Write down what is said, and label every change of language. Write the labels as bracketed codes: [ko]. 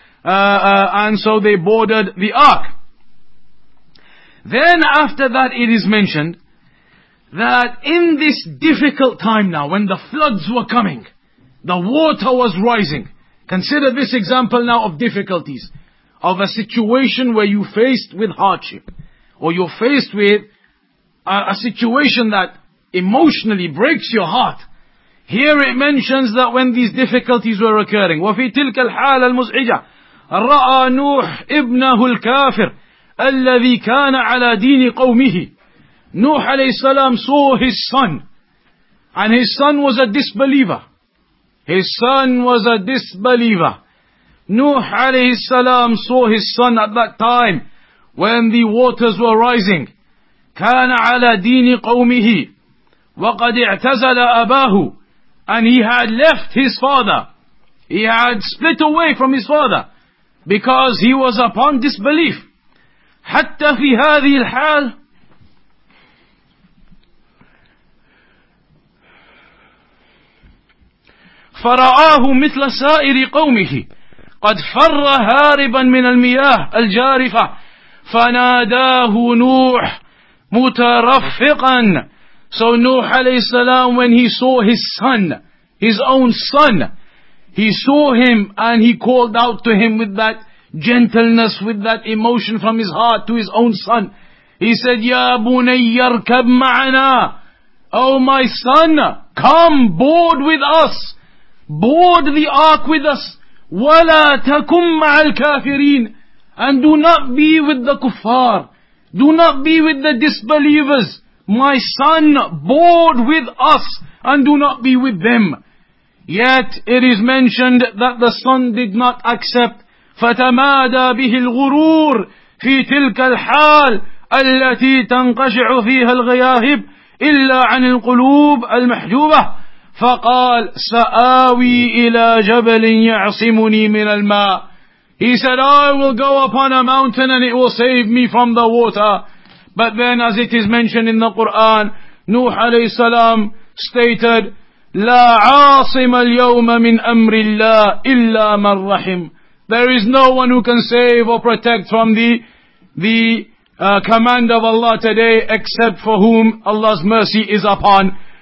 [en] And so they boarded the ark. Then after that it is mentioned that in this difficult time now, when the floods were coming, the water was rising. Consider this example now of difficulties, of a situation where you faced with hardship, or you're faced with a situation that emotionally breaks your heart. Here it mentions that when these difficulties were occurring, [ar] وَفِي تِلْكَ الْحَالَ الْمُزْعِجَةِ رَأَى نُوحُ إِبْنَهُ الْكَافِرِ الَّذِي كَانَ عَلَى دِينِ قَوْمِهِ. [en] Nuh alayhi salam saw his son, and his son was a disbeliever. His son was a disbeliever. Nuh alayhi salam saw his son at that time when the waters were rising. [ar] كَانَ عَلَى دِينِ قَوْمِهِ وَقَدْ اِعْتَزَلَ أَبَاهُ. [en] And he had left his father. He had split away from his father because he was upon disbelief. [ar] حَتَّى فِي هَذِي الْحَالِ. فَرَآهُ مِثْلَ سَائِرِ قَوْمِهِ قَدْ فَرَّ هَارِبًا مِنَ الْمِيَاهِ الْجَارِفَةِ فَنَادَاهُ نُوحٌ مُتَرَفِّقًا. [en] So Nuh alayhi salam, when he saw his son, his own son, he saw him and he called out to him with that gentleness, with that emotion from his heart to his own son. He said, [ar] يَا بُنَيَّ ارْكَبْ مَعَنَا. [en] Oh my son, come board with us. Board the ark with us. [ar] وَلَا تَكُمْ مَعَ الْكَافِرِينَ. [en] And do not be with the kuffar. Do not be with the disbelievers. My son, board with us and do not be with them. Yet it is mentioned that the son did not accept. [ar] فَتَمَادَى بِهِ الْغُرُورِ فِي تِلْكَ الْحَالِ الَّتِي تَنْقَشِعُ فِيهَا الْغَيَاهِبِ إِلَّا عَنِ الْقُلُوبِ الْمَحْجُوبَةِ. فقال سآوي إلى جبل يعصمني من الماء. [en] He said, I will go upon a mountain and it will save me from the water. But then, as it is mentioned in the Quran, Nuh alayhi salam stated, [ar] لا عاصم اليوم من أمر الله إلا من رحم. [en] There is no one who can save or protect from the command of Allah today except for whom Allah's mercy is upon.